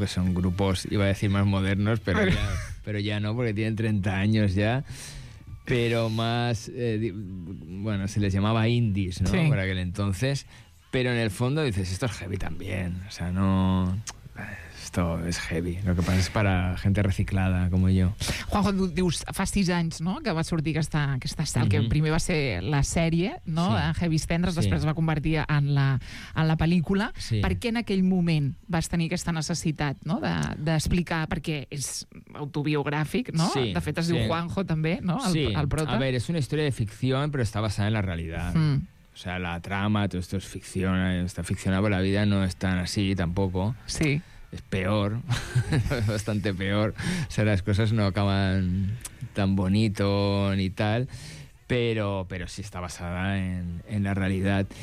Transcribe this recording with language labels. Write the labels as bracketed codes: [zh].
[es] Que son grupos, iba a decir, más modernos, pero ya no, porque tienen 30 años ya. Pero más... bueno, se les llamaba indies, ¿no? Sí. Por aquel entonces... Pero en el fondo dices, esto es heavy también. O sea, no... Esto es heavy. Lo que pasa es para gente reciclada, como yo. [ca] Juanjo, dius, fa 6 anys, no?, que va sortir aquesta estal, mm-hmm, que primer va ser la sèrie, no?, sí, de Heavy Tendres, sí, després es va convertir en la pel·lícula. Sí. Per què en aquell moment vas tenir aquesta necessitat, no?, d'explicar, perquè és autobiogràfic, no? Sí, de fet, es sí, diu Juanjo, també, no?, el prota. [es] A ver, es una historia de ficción, pero está basada en la realidad. Mm. O sea, la trama, todo esto es ficción, está ficcionado, pero la vida no es tan así tampoco. Sí. Es peor, bastante peor. O sea, las cosas no acaban tan bonito ni tal, pero sí está basada en la realidad.